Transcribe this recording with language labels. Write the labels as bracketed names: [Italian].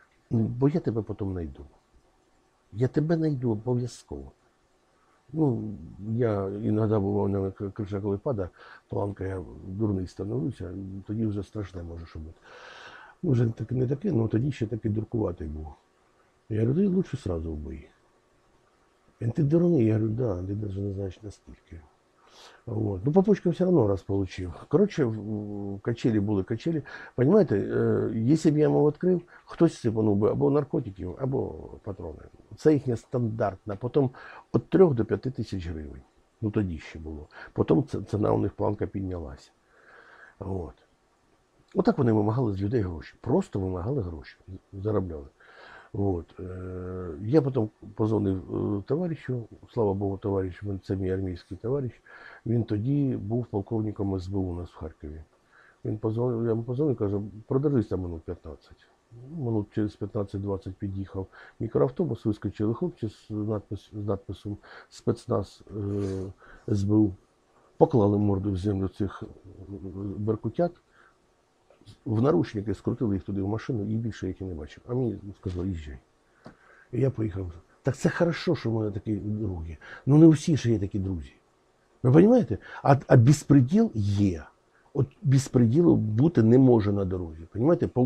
[Ukrainian] Бо я тебе потім знайду. Я тебе знайду обов'язково. Ну, я іноді буваю на крыша, коли падає, планка, я дурний становлюся, тоді вже страшне може бути. Вже так, не таке, але тоді ще таки дуркуватий був. Я говорю, лучше зразу вбий. Він, ти дурний, я говорю, да, ти навіть не знаєш наскільки. Вот. [Russian] Ну, по почкам все равно раз получил. Короче, качели были, качели. Понимаете, если бы я его открыл, кто сыпанул бы, або наркотики, або патроны. Это их стандартно. Потом от 3 до 5 тысяч гривен. Ну, тогда еще было. Потом цена у них планка поднялась. Вот. Вот так они вымогали из людей гроши. Просто вымогали гроши. Заробляли. Вот. [Ukrainian] Я потом позвонив товаришу, слава Богу, товариш, це мій армійський товариш. Він тоді був полковником СБУ у нас в Харкові. Він позвонив, я йому позвонив, каже, продержися минут 15. Минут через 15-20 під'їхав мікроавтобус, вискочили хлопці з надписом спецназ СБУ. Поклали морду в землю цих беркутят. В наручники скрутили їх туди в машину і більше їх і не бачив. А мені сказали, їжджай. І я поїхав. Так це хорошо, що в мене такі друзі. Ну не усі ж є такі друзі. Ви розумієте? А безпреділ є. От безпреділу бути не може на дорозі. Понимаєте?